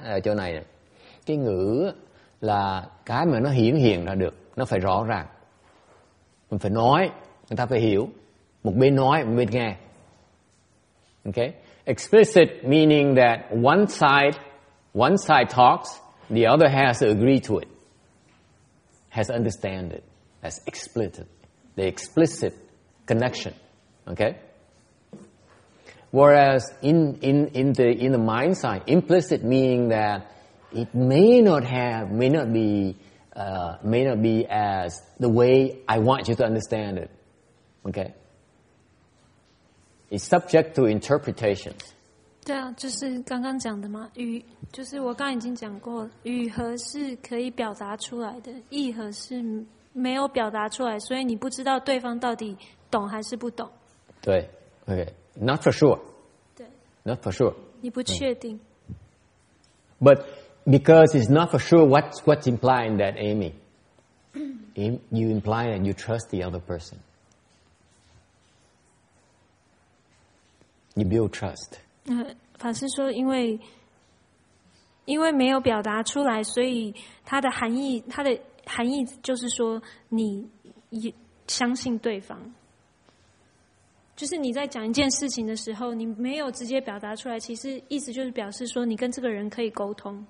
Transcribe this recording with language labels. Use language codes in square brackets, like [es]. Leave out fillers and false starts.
[vi] Ở chỗ này cái ngữ là cái mà nó hiển hiện ra được, nó phải rõ ràng, mình phải nói người ta phải hiểu, một bên nói một bên nghe. [en] Okay, explicit meaning that one side talks, the other has to agree to it, has to understand it. That's explicit, the explicit connection. Okay. Whereas in the mind side, implicit meaning that it may not be as the way I want you to understand it. Okay. It's subject to interpretation. [zh] 对啊，就是刚刚讲的嘛，语就是我刚已经讲过，语和是可以表达出来的，意和是没有表达出来，所以你不知道对方到底懂还是不懂。 [en] 对 ，OK， not for sure. [zh] 对 [en] ，not for sure. [zh] 你不确定。 [en] But because it's not for sure, what's implying that, Amy? You imply that you trust the other person. You build trust. [zh] 法师说，因为没有表达出来，所以它的含义就是说，你相信对方。就是你在讲一件事情的时候，你没有直接表达出来，其实意思就是表示说，你跟这个人可以沟通。